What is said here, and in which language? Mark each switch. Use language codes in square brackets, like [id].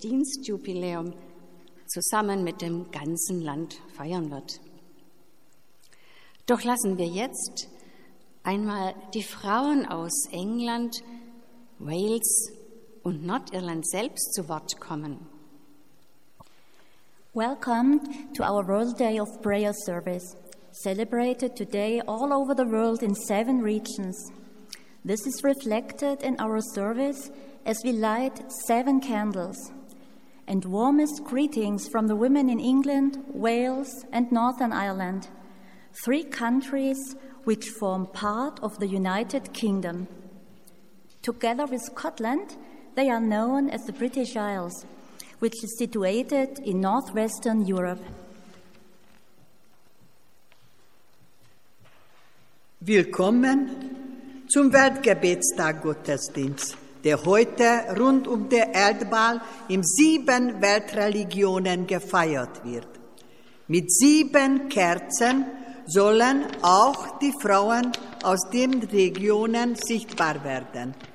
[de] Dienstjubiläum zusammen mit dem ganzen Land feiern wird. Doch lassen wir jetzt einmal die Frauen aus England, Wales und Nordirland selbst zu Wort kommen. [en] Welcome to our World Day of Prayer Service, celebrated today all over the world in 7 regions. This is reflected in our service as we light 7 candles. And warmest greetings from the women in England, Wales, and Northern Ireland, 3 countries which form part of the United Kingdom. Together with Scotland, they are known as the British Isles, which is situated in northwestern Europe. [de] Willkommen zum Weltgebetstag-Gottesdienst, der heute rund um den Erdball in 7 Weltreligionen gefeiert wird. Mit 7 Kerzen sollen auch die Frauen aus den Regionen sichtbar werden.